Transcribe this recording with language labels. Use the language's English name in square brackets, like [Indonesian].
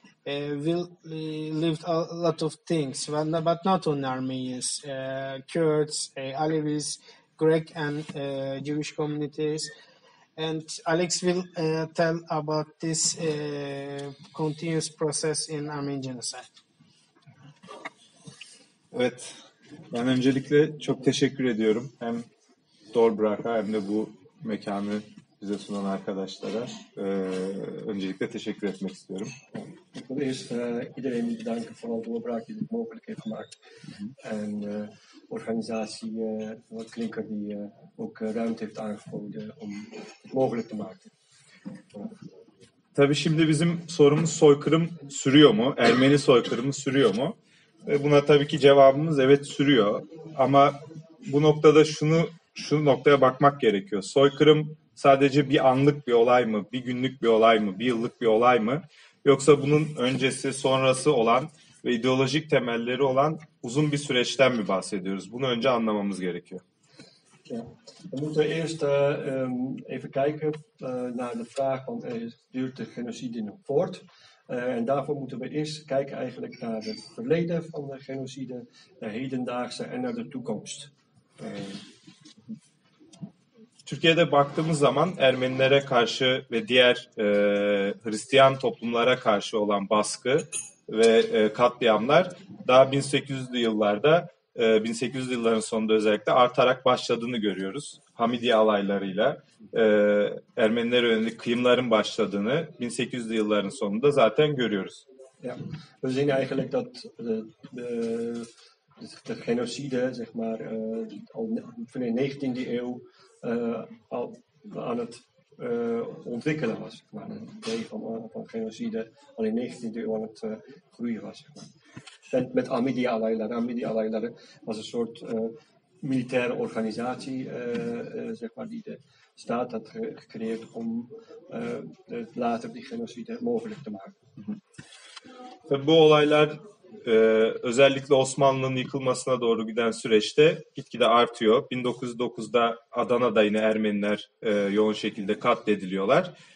[English] We lived a lot of things, but not only Armenians, Kurds, Alevis, Greek and Jewish communities. And Alex will tell about this continuous process in Armenian genocide. [Turkish] Evet, ben öncelikle çok teşekkür ediyorum hem Dorbrak'a hem de bu mekanı bize sunan arkadaşlara. Öncelikle teşekkür etmek istiyorum. [Dutch] Allereerst iedereen bedanken voor al de doorbraak die dit mogelijk heeft gemaakt. En organisatie Klinker die ook ruimte heeft aangeboden om het mogelijk te maken. [Turkish] Tabii şimdi bizim sorumuz soykırım sürüyor mu? Ermeni soykırımı sürüyor mu? Buna tabii ki cevabımız evet sürüyor. Ama bu noktada şu noktaya bakmak gerekiyor. Soykırım sadece bir anlık bir olay mı? Bir günlük bir olay mı? Bir yıllık bir olay mı? Yoksa bunun öncesi, sonrası olan ve ideolojik temelleri olan uzun bir süreçten mi bahsediyoruz? Bunu önce anlamamız gerekiyor. [Dutch] Ja. We moeten eerst even kijken naar de vraag van duurt de genocide nog voort? En daarvoor moeten we eerst kijken eigenlijk naar het verleden van de genocide, de hedendaagse en naar de toekomst. [Turkish] Türkiye'de baktığımız zaman Ermenilere karşı ve diğer Hristiyan toplumlara karşı olan baskı ve katliamlar daha 1800'lü yıllarda 1800'lü yılların sonunda özellikle artarak başladığını görüyoruz. Hamidiye alaylarıyla Ermenilere yönelik kıyımların başladığını 1800'lü yılların sonunda zaten görüyoruz. [Dutch] Ja, we zien eigenlijk dat de genocide zeg maar van de 19e eeuw al aan het ontwikkelen was, zeg maar. De idee van genocide al in de 19e eeuw aan het groeien was, zeg maar. Met Hamidiye alaylar. Hamidiye alaylar was een soort militaire organisatie zeg maar, die de staat had gecreëerd om later die genocide mogelijk te maken. [Turkish] Bu olaylar özellikle Osmanlı'nın yıkılmasına doğru giden süreçte gitgide artıyor. 1909'da Adana'da yine Ermeniler yoğun şekilde katlediliyorlar.